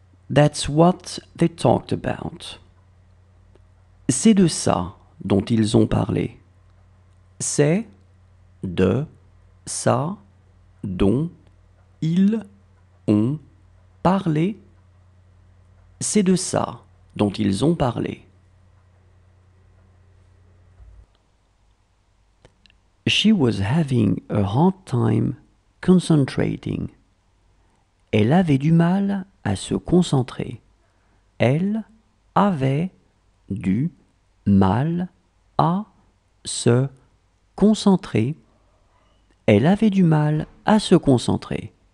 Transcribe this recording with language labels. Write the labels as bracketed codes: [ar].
[en] That's what they talked about. [fr] C'est de ça dont ils ont parlé. C'est de ça dont ils ont parlé. C'est de ça dont ils ont parlé. [en] She was having a hard time concentrating. [fr] Elle avait du mal à se concentrer. Elle avait du mal à se concentrer. Elle avait du mal à se concentrer.